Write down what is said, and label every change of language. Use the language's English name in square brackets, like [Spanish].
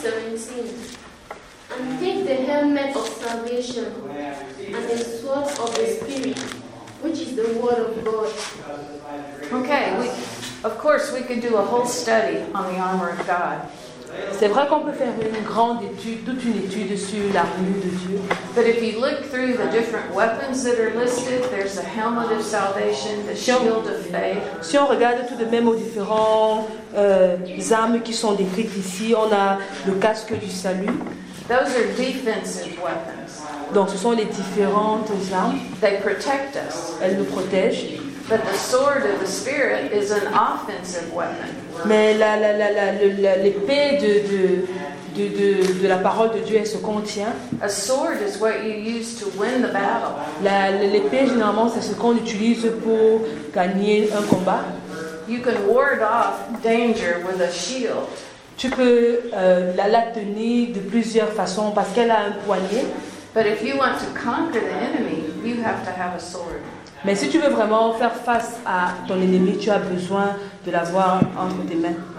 [English] And take the helmet of salvation and the sword of the Spirit, which is the word of God. Okay, of course we could do a whole study on the armor of God. [French] C'est vrai qu'on peut faire une grande étude, toute une étude sur l'armure de Dieu. [English] But if you look through the different weapons that are listed, there's a helmet of salvation, the shield of faith. [French] Si on regarde tout de même aux différentes armes qui sont décrites ici, on a le casque du salut. [English] Those are defensive weapons. [French] Donc ce sont les différentes armes. [English] They protect us. [French] Elles nous protègent. [English] But the sword of the Spirit is an offensive weapon. [French] Mais l'épée de la parole de Dieu, elle se contient. [English] A sword is what you use to win the battle. [French] L'épée, généralement, c'est ce qu'on utilise pour gagner un combat. [English] You can ward off danger with a shield. [French] Tu peux la tenir de plusieurs façons parce qu'elle a un poignet. [English] But if you want to conquer the enemy, you have to have a sword. [French] Mais si tu veux vraiment faire face à ton ennemi, tu as besoin de l'avoir entre tes mains.